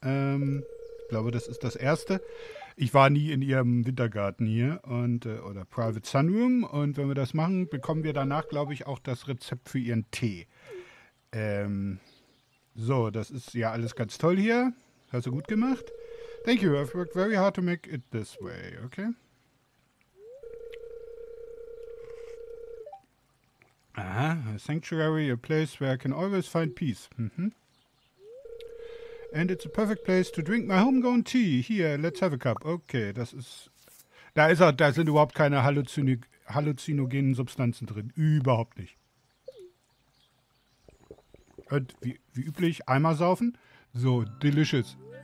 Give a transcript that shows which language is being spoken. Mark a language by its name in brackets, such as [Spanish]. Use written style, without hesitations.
[German] Ich glaube, das ist das erste. Ich war nie in ihrem Wintergarten hier und oder Private Sunroom und wenn wir das machen, bekommen wir danach, glaube ich, auch das Rezept für ihren Tee. So, das ist ja alles ganz toll hier. Hast du gut gemacht? [English] Thank you, I've worked very hard to make it this way, okay? Aha, a sanctuary, a place where I can always find peace. And it's a perfect place to drink my homegrown tea. Here, let's have a cup. Okay, [German] das ist. Da ist auch, da sind überhaupt keine halluzinogenen Substanzen drin. Überhaupt nicht. Und wie üblich, Eimer saufen. [English] So, delicious.